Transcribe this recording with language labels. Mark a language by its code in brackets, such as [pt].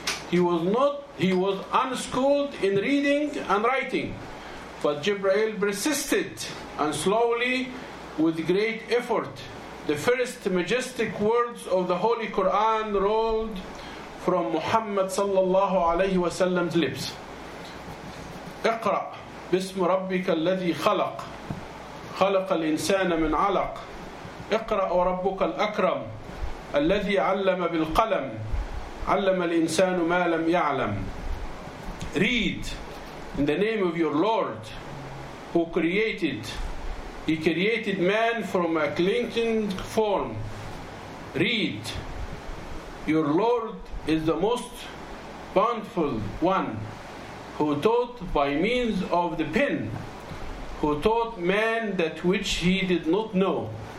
[en] He was unschooled in reading and writing. But Jibreel persisted, and slowly, with great effort, the first majestic words of the Holy Quran rolled from Muhammad sallallahu alayhi wa sallam's lips. [ar] اقرأ باسم ربك الذي خلق خلق الإنسان من علق اقرأ وربك الأكرم الذي علم بالقلم علم الإنسان ما لم يعلم. [en] Read in the name of your Lord who created. He created man from a clinging form. Read. Your Lord is the most bountiful one, who taught by means of the pen, who taught man that which he did not know.